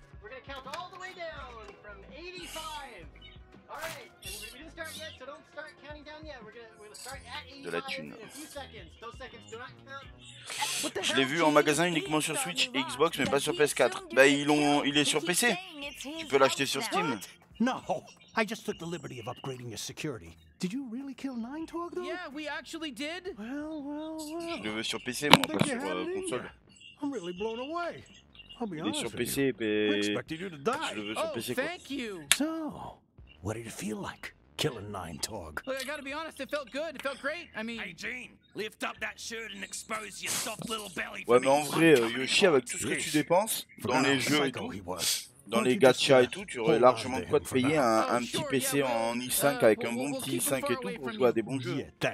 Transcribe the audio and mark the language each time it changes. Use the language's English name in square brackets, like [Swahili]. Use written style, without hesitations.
[English] We're gonna count all the way down from 85. All right. And we didn't start yet, so don't start counting down yet. We're gonna start at 85 in a few seconds. Those seconds do not count. [French] Je l'ai vu en magasin uniquement sur Switch et Xbox, mais pas sur PS4. Bah, il est sur PC. Tu peux l'acheter sur Steam. [English] Non, I just took the liberty of upgrading your security. Did you really kill Nine Torg though? Yeah, we actually did. Well. [French] Je le veux sur PC, moi, pas sur console. [English] I'm really blown away. I'll be honest. [French] Sur PC, [English] expected you to die. [French] Je le veux sur PC, quoi. [English] Thank you. So, what did it feel like killing Nine Torg? Look, I gotta be honest. It felt good. It felt great. I mean. Hey, Gene, lift up that shirt and expose your soft little belly. [French] Ouais, mais en vrai, je chie avec tout ce que tu dépenses dans les jeux et tout. Dans les gachas et tout, tu aurais largement de quoi te payer un petit PC en i5 avec un bon petit i5 et tout pour jouer à des bons jeux.